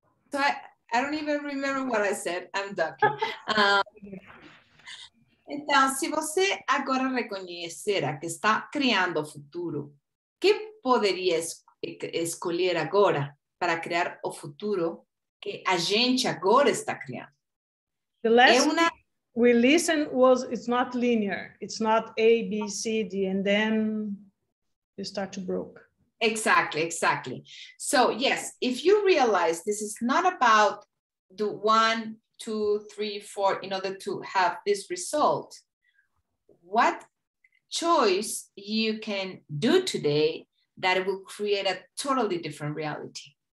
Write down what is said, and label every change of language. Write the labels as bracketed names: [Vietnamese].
[English] So I don't even remember what I said. I'm ducking. [Portuguese] Então, se você agora reconhecer que está criando o futuro, o que poderia escolher agora para criar o futuro que a gente agora está criando? [English] The last we listened was, it's not linear. It's not A, B, C, D, and then you start to broke. Exactly. So, yes, if you realize this is not about the one, 2, 3, 4, in order to have this result, what choice you can do today that will create a totally different reality?